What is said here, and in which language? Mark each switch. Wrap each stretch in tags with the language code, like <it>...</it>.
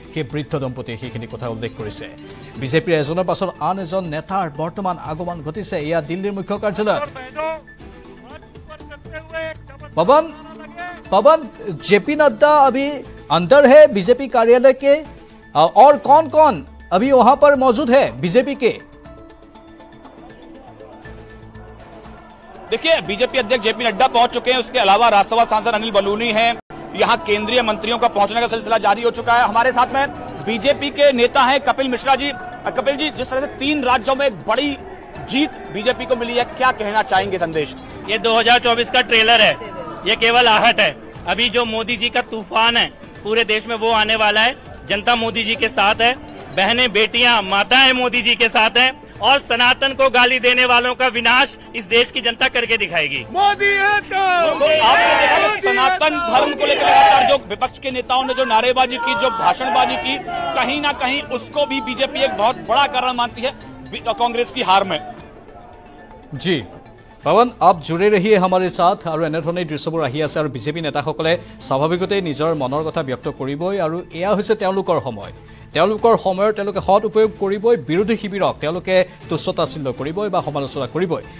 <as>সেই বৃদ্ধ দম্পতীয়ে সেইখিনি কথা উল্লেখ কৰিছে। বিজেপিৰ এজনৰ পাছত আন এজন নেতাৰ বৰ্তমান আগমন ঘটিছে এয়া দিল্লীৰ মুখ্য কাৰ্যালয়ত।</as> <hi>পৱন, জে পি নাড্ডা আবি অন্দৰ হে বিজেপি কাৰ্যালয় কে অৰ কন কন আবি ওহাঁ পৰ মৌজুদ হে বিজেপি কে? देखिए बीजेपी अध्यक्ष जेपी नड्डा पहुंच चुके हैं, उसके अलावा राज्यसभा सांसद अनिल बलूनी हैं, यहां केंद्रीय मंत्रियों का पहुंचने का सिलसिला जारी हो चुका है। हमारे साथ में बीजेपी के नेता हैं कपिल मिश्रा जी। कपिल जी, जिस तरह से तीन राज्यों में एक बड़ी जीत बीजेपी को मिली है, क्या कहना चाहेंगे संदेश? ये 2024 का ट्रेलर है, ये केवल आहट है। अभी जो मोदी जी का तूफान है पूरे देश में वो आने वाला है। जनता मोदी जी के साथ है, बहने बेटियां माताएं मोदी जी के साथ है और सनातन को गाली देने वालों का विनाश इस देश की जनता करके दिखाएगी। मोदी आपने देखा कि सनातन धर्म को लेकर लगातार जो विपक्ष के नेताओं ने जो नारेबाजी की, जो भाषणबाजी की, कहीं ना कहीं उसको भी बीजेपी एक बहुत बड़ा कारण मानती है कांग्रेस की हार में।</hi> <as>जी পৱন,</as> <hi>আপ জুড়ে ৰহিয়ে</hi> <as>আমাৰ সাথ আৰু এনেধৰণে দৃশ্যবোৰ আহি আছে আৰু বিজেপি নেতাসকলে স্বাভাৱিকতেই নিজৰ মনৰ কথা ব্যক্ত কৰিবই আৰু এয়া হৈছে তেওঁলোকৰ সময়। তেওঁলোকৰ সময়ৰ তেওঁলোকে সৎ উপয়োগ কৰিবই, বিৰোধী শিবিৰক তেওঁলোকে তুচ্ছতাচিহ্ন কৰিবই বা সমালোচনা কৰিবই।</as>